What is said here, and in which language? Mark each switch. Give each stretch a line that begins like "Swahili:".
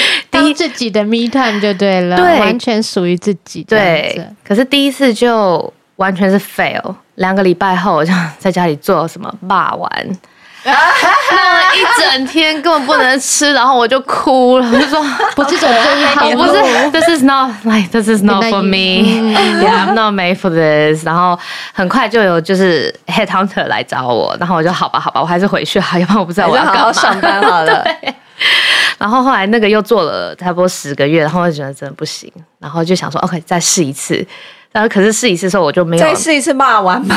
Chinese: 当自己的 me time 就对了，对，完全属于自己。对，可是第一次就完全是 fail， 2个礼拜后我就在家里做什么霸玩，弄了一整天根本不能吃，然后我就哭了，我就说不是走这一条路，不是
English: ，this is not like this is not for me， yeah， I'm not made for this。
Chinese: 然后很快就有就是 headhunter 来找我，然后我就好吧，我还是回去好，要不然我不知道我要干嘛，好好上班好了。然后后来那个又做了差不多10个月，然后我就觉得真的不行，然后就想说 OK 再试一次。然后可是试一次的时候我就没有再试一次骂完吗？